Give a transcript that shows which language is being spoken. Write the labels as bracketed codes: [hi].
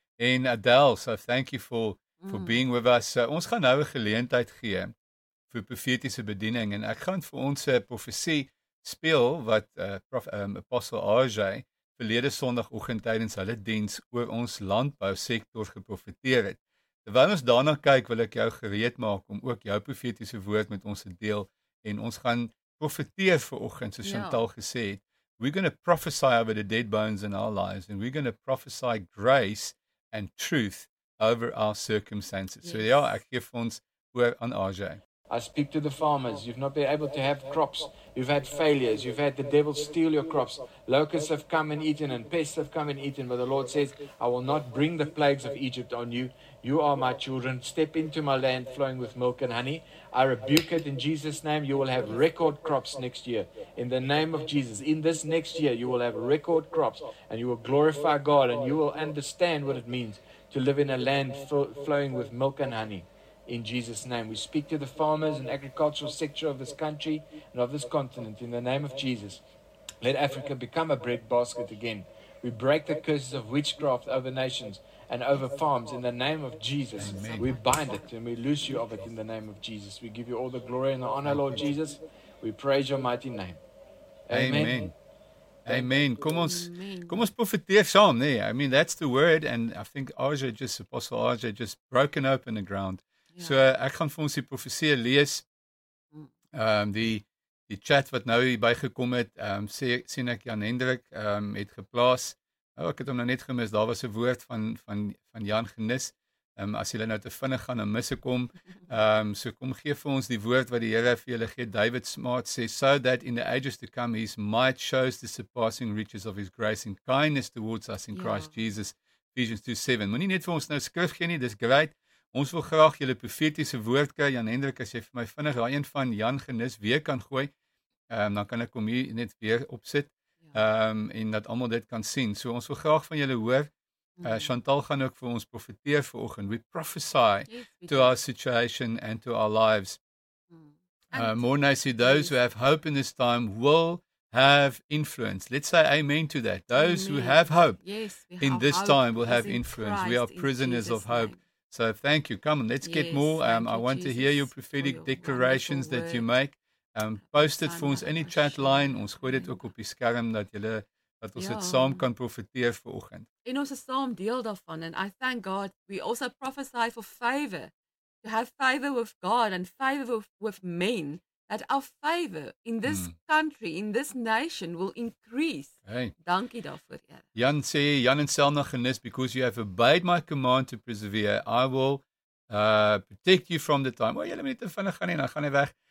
[en] En Adele, so thank you for being with us. [af] Ons gaan nou 'n geleentheid gee vir profetiese bediening en ek gaan vir ons 'n profesie speel wat Apostel RJ verlede Sondagoggend tydens hulle diens oor ons landbousektor geprofeteer het. Terwyl ons daarna kyk, wil ek jou gereed maak om ook jou profetiese woord met ons te deel en ons gaan profeteer vanoggend soos Chantal gesê het. [en] We're going to prophesy over the dead bones in our lives and we're going to prophesy grace and truth over our circumstances. Yes. So yeah, [af] ek gee vir ons oor aan RJ. [en] I speak to the farmers. You've not been able to have crops. You've had failures. You've had the devil steal your crops. Locusts have come and eaten and pests have come and eaten. But the Lord says, I will not bring the plagues of Egypt on you. You are my children. Step into my land flowing with milk and honey. I rebuke it in Jesus' name. You will have record crops next year. In the name of Jesus, in this next year, you will have record crops and you will glorify God and you will understand what it means to live in a land flowing with milk and honey. In Jesus' name, we speak to the farmers and agricultural sector of this country and of this continent. In the name of Jesus, let Africa become a bread basket again. We break the curses of witchcraft over nations and over farms. In the name of Jesus, amen. We bind it and we loose you of it in the name of Jesus. We give you all the glory and the honor, Lord Jesus. We praise your mighty name. [af] Amen. Amen. Kom ons profeteer saam, nee. [en] I mean, that's the word. And I think Apostle RJ just broken open the ground. [af] So ek gaan vir ons die profesie lees. Die chat wat nou hier bygekom het, sien ek Jan Hendrik het geplaas. Nou ek het hom nou net gemis. Daar was 'n woord van Jan Genis. As jy nou te vinnig gaan en misse kom, so kom gee vir ons die woord wat die Here vir julle gee. [en] David Smart sê, so that in the ages to come his might shows the surpassing riches of his grace and kindness towards us in Christ Jesus. [af] Ephesians 2:7. Moenie net vir ons nou skrif gee nie, dis great. Ons wil graag julle profetiese woord kry. Jan Hendrik, as jy vir my vinnig daai een van Jan Genis weer kan gooi, dan kan ek hom hier net weer opsit. En dat almal dit kan sien. So ons wil graag van julle hoor. Chantal gaan ook vir ons profeteer vanoggend. [en] We prophesy to our situation and to our lives. More nicely, those who have hope in this time will have influence. Let's say amen to that. Those amen. Who have hope in this time will have influence. We are prisoners of hope. So thank you. Come on, let's get more. I want Jesus to hear your prophetic declarations that you make. Post it for [af] ons in die [en] chat line. [af] Ons gooi dit ook op die skerm dat ons dit saam kan profeteer vir oggend. En ons is saam deel daarvan. [en] And I thank God we also prophesy for favor. To have favor with God and favor with men. That our favor in this country, in this nation will increase. Hey. [af] Dankie daarvoor, Here. [en] Jan sê, Jan en Selma Genis, because you have obeyed my command to persevere, I will protect you from the time. [af] Oh, jy moet net vinnig gaan nie, dan gaan hy weg.